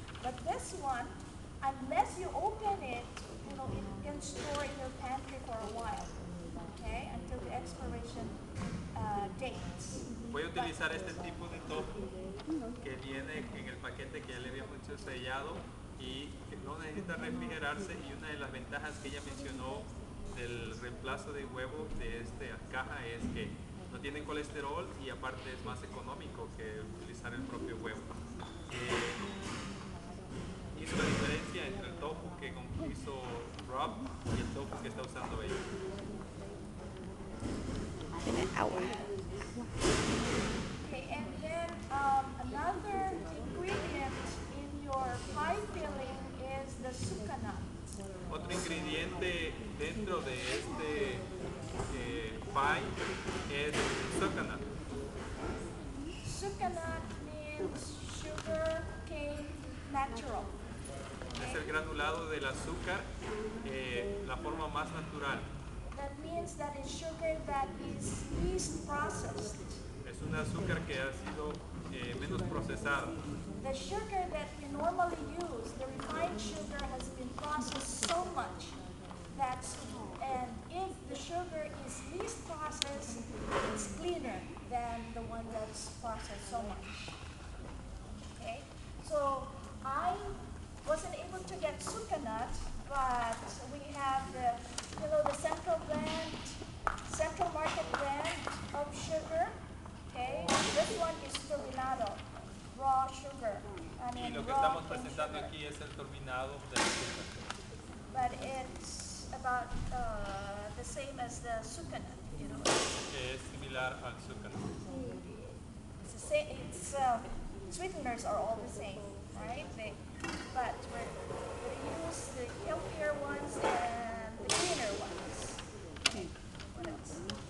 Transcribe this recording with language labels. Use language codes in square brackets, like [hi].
[en] But this one, unless you open it, you know, it can store in your pantry for a while, okay? Until the expiration date. [es] Voy a utilizar este tipo de tofu que viene en el paquete que ya le habíamos hecho sellado y que no necesita refrigerarse, y una de las ventajas que ella mencionó del reemplazo de huevo de esta caja es que no tiene colesterol y aparte es más económico que utilizar el propio huevo. Hizo la diferencia entre el tofu que hizo Rob y el tofu que está usando ella. [en] In an hour. Okay, and then another ingredient in your pie filling is the sucanat. [es] Otro ingrediente dentro de este pie es sucanat. [en] Sucanat means sugar cane natural. [es] Es el granulado del azúcar, la forma más natural. [en] That means that it's sugar that is least processed. [es] Es un azúcar que ha sido menos procesado. [en] The sugar that you normally use, the refined sugar, has been processed so much that, and if the sugar is least processed, it's cleaner than the one that's processed so much. Okay? So I wasn't able to get sucanat, but we have the, you know, the central market brand of sugar. Okay? This one is turbinado. Raw sugar. [es] Y lo que estamos presentando aquí es el turbinado de la sucanat. [en] But it's about the same as the sucanat, you know. [es] Que es similar al sucanat. [en] It's the same, it's sweeteners are all the same, right? But we use the healthier ones and the cleaner ones. Okay. What else?